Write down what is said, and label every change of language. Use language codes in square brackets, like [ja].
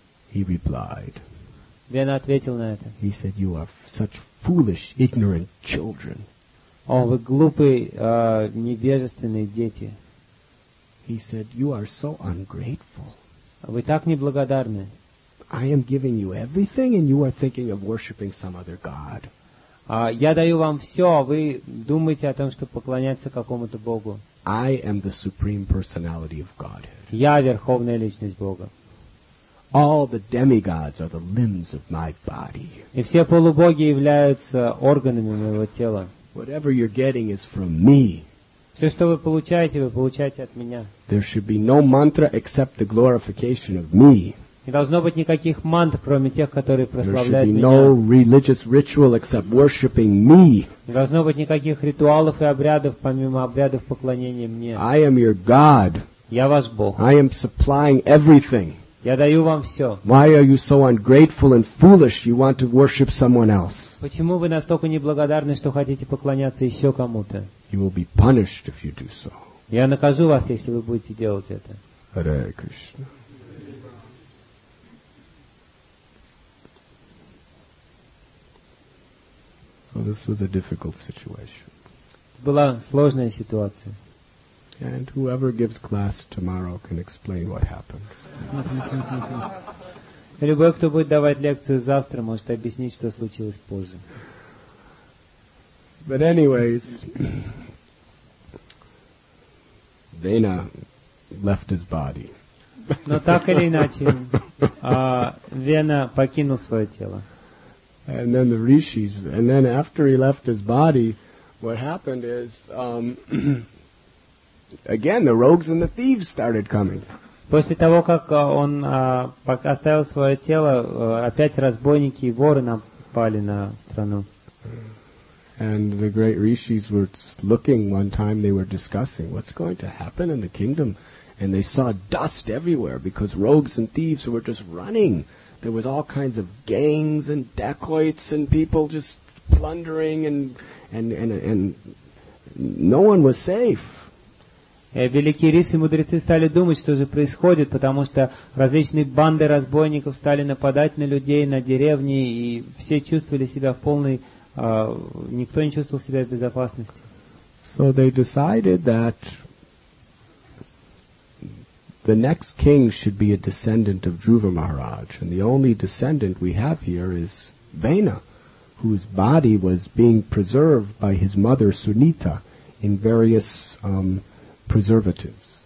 [en] He replied. [ru] Vena ответил на это. [en] He said, "You are such foolish, ignorant children." [ru] О, вы глупые, невежественные дети. [en] He said, "You are so ungrateful." [ru] Вы так неблагодарны. [en] I am giving you everything, and you are thinking of worshiping some other god. [ru] Я даю вам все, а вы думаете о том, чтобы поклоняться какому-то богу. [en] I am the supreme personality of Godhead. [ru] Я верховная личность Бога. [en] All the demigods are the limbs of my body. [ru] И все полубоги являются органами моего тела. [en] Whatever you're getting is from me. [ru] Все, что вы получаете от меня. [en] There should be no mantra except the glorification of me. [ru] Не должно быть никаких мантр, кроме тех, которые прославляют меня. [en] There should be no religious ritual except worshiping me. [ru] Не должно быть никаких ритуалов и обрядов, помимо обрядов поклонения мне. [en] I am your God. [ru] Я ваш Бог. [en] I am supplying everything. [ru] Я даю вам все. [en] Why are you so ungrateful and foolish? You want to worship someone else. [ru] Почему вы настолько неблагодарны, что хотите поклоняться еще кому-то? [en] You will be punished if you do so. [ru] Я накажу вас, если вы будете делать это. [en] Hare Krishna. So this was a difficult situation. [ru] Была сложная ситуация. [en] And whoever gives class tomorrow can explain what happened. [ru] Любой, кто будет давать лекцию завтра, может объяснить, что случилось позже. [en] But anyways, Vena left his body. [ru] Но так или иначе, Вена покинул свое тело. [en] And then the rishis, and then after he left his body, what happened is, again, the rogues and the thieves started coming. [ru] После того, как он оставил свое тело, опять разбойники и воры напали на страну. [en] And the great rishis were looking one time, they were discussing what's going to happen in the kingdom. And they saw dust everywhere because rogues and thieves were just running. There was all kinds of gangs and dacoits and people just plundering and no one was safe. [ru] Великие риши и мудрецы стали думать, что же происходит, потому что различные банды разбойников стали нападать на людей, на деревни, и все чувствовали себя в полной... никто не чувствовал себя в безопасности. [en] So they decided that the next king should be a descendant of Dhruva Maharaj, and the only descendant we have here is Vena, whose body was being preserved by his mother Sunita in various preservatives.